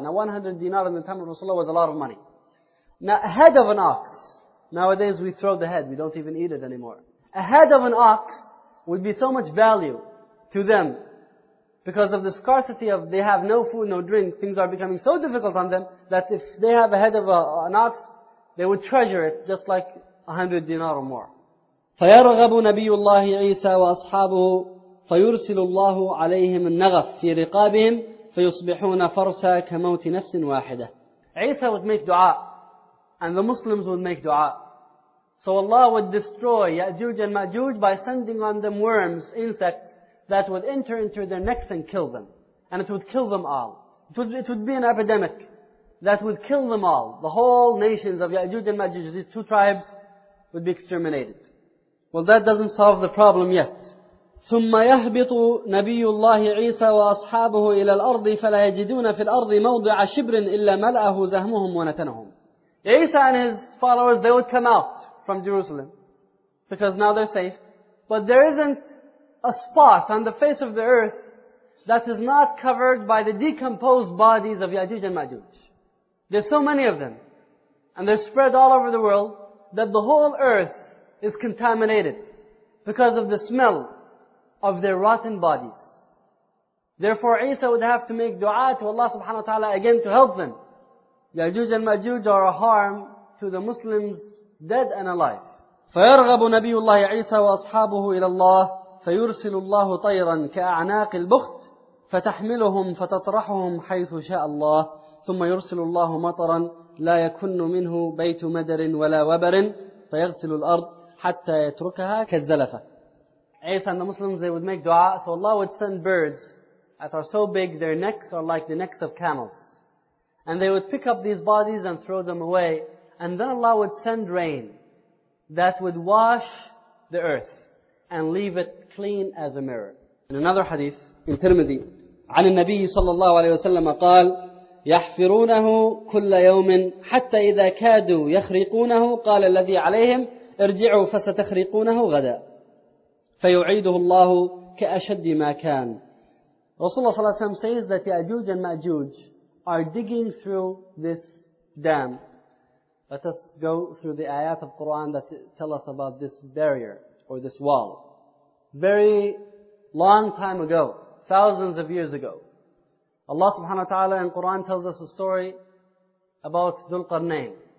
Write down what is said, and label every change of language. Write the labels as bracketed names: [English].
[English] Now 100 dinar in the time of Rasulullah was a lot of money. Now a head of an ox, nowadays we throw the head, we don't even eat it anymore. A head of an ox would be so much value to them because of the scarcity of they have no food, no drink, things are becoming so difficult on them that if they have a head of an ox, they would treasure it just like 100 dinar or more. [Arabic] فَيَرْغَبُ نَبِيُّ اللَّهِ عِيسَى وَأَصْحَابُهُ فَيُرْسِلُ اللَّهُ عَلَيْهِمْ النَّغَفْ فِي رِقَابِهِمْ فَيُصْبِحُونَ فَرْسَى كَمَوْتِ نَفْسٍ وَاحِدَةٍ [English] Isa would make dua, and the Muslims would make dua. So Allah would destroy Ya'juj and Ma'juj by sending on them worms, insects, that would enter into their necks and kill them. And it would kill them all. It would be an epidemic that would kill them all. The whole nations of Ya'juj and Ma'juj, these two tribes, would be exterminated. Well, that doesn't solve the problem yet. [Arabic] ثُمَّ يَهْبِطُ نَبِيُّ اللَّهِ عِيسَى وَأَصْحَابُهُ إِلَى الْأَرْضِ فَلَا يَجِدُونَ فِي الْأَرْضِ مَوْضِعَ شِبْرٍ إِلَّا مَلْأَهُ زَهْمُهُمْ وَنَتَنَهُمْ [English] Isa and his followers, they would come out from Jerusalem because now they're safe. But there isn't a spot on the face of the earth that is not covered by the decomposed bodies of Ya'juj and Ma'juj. There's so many of them. And they're spread all over the world that the whole earth is contaminated because of the smell of their rotten bodies. Therefore, Isa would have to make dua to Allah subhanahu wa ta'ala again to help them. Ya'juj and Ma'juj are a harm to the Muslims, dead and alive. [Arabic] فَيَرْغَبُ نَبِيُّ اللَّهِ عِيسَى وَأَصْحَابُهُ إِلَى اللَّهِ فَيُرْسِلُ اللَّهُ طَيْرًا كَأَعْنَاقِ الْبُخْتِ فَتَحْمِلُهُمْ فَتَطْرَحُهُمْ حَيْثُ شَاءَ اللَّهِ ثُمَّ يُرْسِلُ اللَّهُ مَطَرًا لَا يَكُنُّ مِنْهُ بَيْتُ مَدَرٍ وَلَا وَبَرٍ فَيَغْسِلُ الْأَرْضِ حَتَّى يَتْرُكَهَا كَالزَّلَفَةِ [English] Isa and the Muslims, they would make dua. So Allah would send birds that are so big, their necks are like the necks of camels. And they would pick up these bodies and throw them away. And then Allah would send rain that would wash the earth and leave it clean as a mirror. In another hadith, in Tirmidhi, [Arabic] عن النبي صلى الله عليه وسلم قال يحفرونه كل يوم حتى إذا كادوا يخرقونه قال الذي عليهم ارجعوا فستخرقونه غدا فيعيده الله كأشد ما كان. [English] Rasulullah [Arabic] صلى الله عليه وسلم [English] says that Ya'juj and Ma'juj are digging through this dam. Let us go through the ayat of Quran that tell us about this barrier or this wall. Very long time ago, thousands of years ago, Allah subhanahu wa ta'ala in Quran tells us a story about Dhul Qarnayn.